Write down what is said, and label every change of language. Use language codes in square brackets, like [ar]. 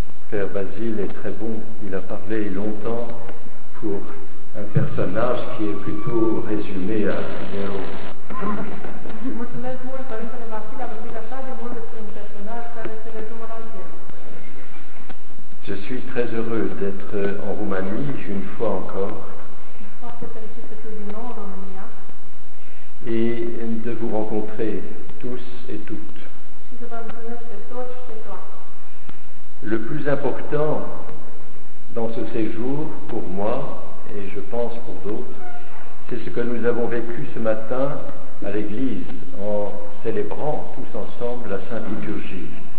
[fr] Père Basile est très bon. Il a parlé longtemps pour un personnage qui est plutôt résumé à Léo. [ro] Mulțumesc mult, Părintele Vasile, a vorbit așa de mult despre un personaj care se rezumă la el. [fr] Je suis très heureux d'être en Roumanie une fois encore. [ro] Foarte fericit să fiu din nou în România. [fr] Et de vous rencontrer tous et toutes. [ro] Și să vă întâlnesc pe toți și pe toate. [fr] Le plus important dans ce séjour pour moi et je pense pour d'autres, c'est ce que nous avons vécu ce matin à l'église en célébrant tous ensemble la Sainte Liturgie.